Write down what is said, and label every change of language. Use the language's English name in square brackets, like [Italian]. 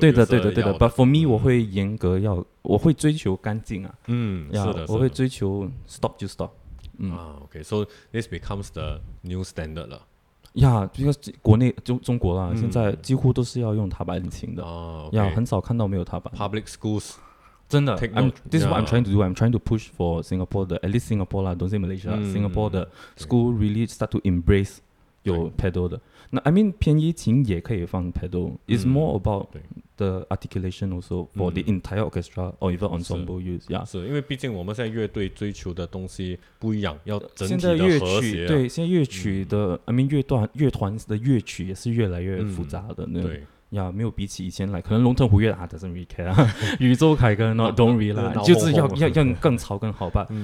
[Chinese] 对的对的对的。 [English] But for me, [Chinese] 我会严格要我会追求干净啊。是的。我会追求 stop 就 stop. [English] Okay, so this becomes the new standard 了。 Yeah, [Chinese] 国内中国啦现在几乎都是要用踏板琴的。很少看到没有踏板。 [English] Public schools. [Chinese] 真的。 [English] This is what I'm trying to do. I'm trying to push for Singapore, at least Singapore, don't say Malaysia, Singapore, the school really start to embrace your pedal. 的 I mean, [Chinese] 便宜琴也可以放 [English] pedal. It's more about the articulation also for the entire orchestra or even ensemble use. [Chinese] 是因为毕竟我们现在乐队追求的东西不一样要整体的和谐。现在乐曲对现在乐曲的 [English] I mean, [Chinese] 乐团的乐曲也是越来越复杂的。没有比起以前来可能龙腾虎跃 [English] doesn't really care. [Chinese] 宇宙凯歌 [English] not don't really like, [Chinese] 就是要更潮更好吧。